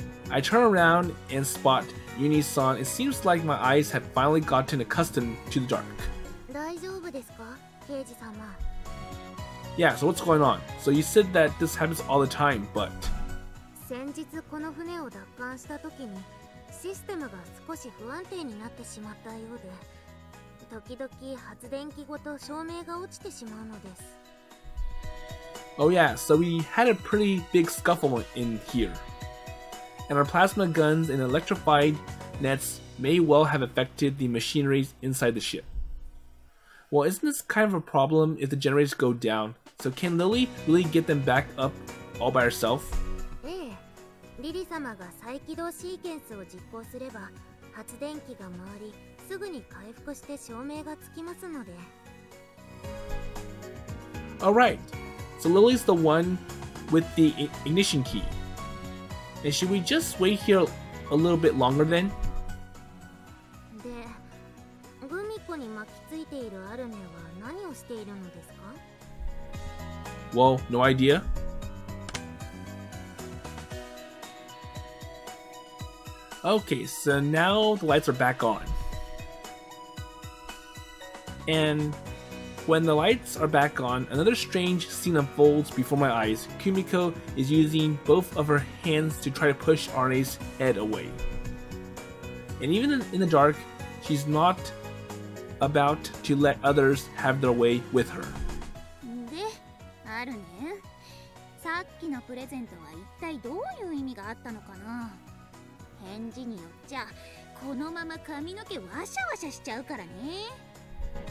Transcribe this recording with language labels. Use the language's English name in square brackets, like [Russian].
[English] I turn around and spot Yunie-san. It seems like my eyes have finally gotten accustomed to the dark. [Japanese] 大丈夫ですか、刑事様? [English] Yeah, so what's going on? So you said that this happens all the time, but... [Japanese] 先日この船を奪還した時にシステムが少し不安定になってしまったようで、時々発電機ごと照明が落ちてしまうのです。 [English] Oh yeah, so we had a pretty big scuffle in here. And our plasma guns and electrified nets may well have affected the machinery inside the ship. Well, isn't this kind of a problem if the generators go down So can Lily really get them back up all by herself? [Japanese] ええ、リリ様が再起動シーケンスを実行すれば、発電機が回り、すぐに回復して照明がつきますので。 [English] Alright, so Lily's the one with the ignition key. And should we just wait here a little bit longer then? [Japanese] で、グミコに巻きついているアルネは何をしているのですか? [English] Well, no idea. Okay, so now the lights are back on. And... When the lights are back on, another strange scene unfolds before my eyes. Kumiko is using both of her hands to try to push Arne's head away. And even in the dark, she's not about to let others have their way with her. [Japanese] で、あるね。さっきのプレゼントは一体どういう意味があったのかな? 返事によっちゃ、このまま髪の毛わしゃわしゃしちゃうからね。